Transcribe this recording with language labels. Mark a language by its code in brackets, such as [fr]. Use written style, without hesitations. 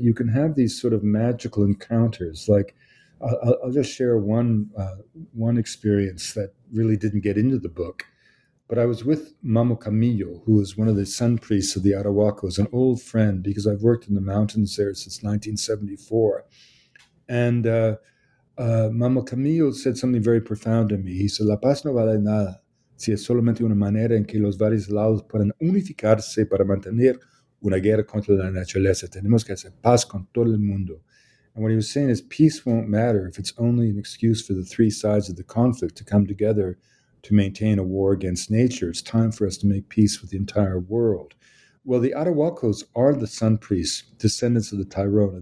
[en] You can have these sort of magical encounters. Like, I'll just share one experience that really didn't get into the book. But I was with Mamo Camillo, who is one of the sun priests of the Arawakos, an old friend, because I've worked in the mountains there since 1974. Mamo Camillo said something very profound to me. He said, [es] La paz no vale nada si es solamente una manera en que los varios lados pueden unificarse para mantener una guerra contra la naturaleza. Tenemos que hacer paz con todo el mundo. [en] And what he was saying is peace won't matter if it's only an excuse for the three sides of the conflict to come together to maintain a war against nature. It's time for us to make peace with the entire world. Well, the Arawakos are the sun priests, descendants of the Tairona.